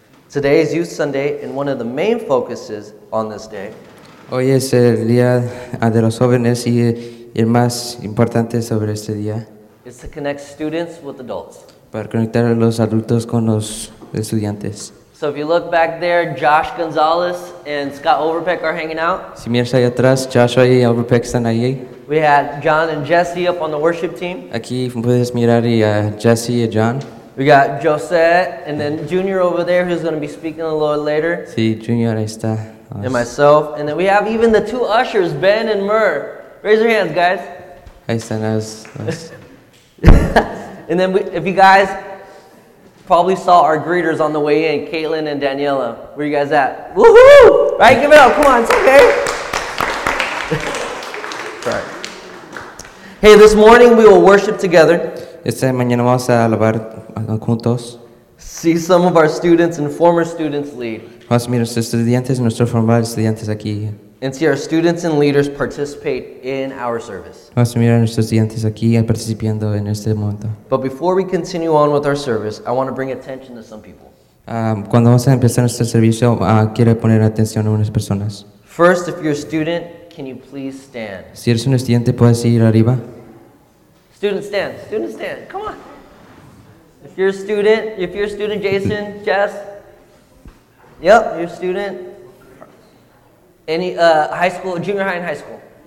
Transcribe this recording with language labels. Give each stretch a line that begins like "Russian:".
English: Today is Youth Sunday, and one of the main focuses on this day.
Spanish: Hoy es el día de los jóvenes y el más importante sobre este día.
English: It's to connect students with adults.
Spanish: Para conectar a los adultos con los estudiantes.
English: So if you look back there, Josh Gonzalez and Scott Overpeck are hanging out.
Spanish: Si miras allá atrás, Joshua y Overpeck están allí.
English: We had John and Jesse up on the worship team.
Spanish: Aquí puedes mirar y Jesse y John.
English: We got Josette and then Junior over there who's going to be speaking a little later.
Spanish: Sí, Junior ahí está.
English: And myself. And then we have even the two ushers, Ben and Murr. Raise your hands, guys.
Spanish: Ahí están los.
English: And then if you guys probably saw our greeters on the way in, Caitlin and Daniela. Where are you guys at? Woohoo! Right, give it up. Come on, it's okay. Right. Hey, this morning we will worship together.
Spanish: Esta mañana vamos a alabar juntos.
English: See some of our students and former students lead.
Spanish: Vamos a mirar a nuestros estudiantes y nuestros
English: former
Spanish: estudiantes aquí.
English: And see our students and leaders participate in our service.
Spanish: Vamos a mirar a nuestros estudiantes aquí participando en este momento.
English: But before we continue on with our service, I want to bring attention to some people.
Spanish: Cuando vamos a empezar nuestro servicio, quiero poner atención a unas personas.
English: First, if you're a student, can you please stand?
Spanish: Si eres un estudiante, puedes ir arriba.
English: Student stand, come on. If you're a student, Jason, Jess. Yep, you're a student. Junior high and high school.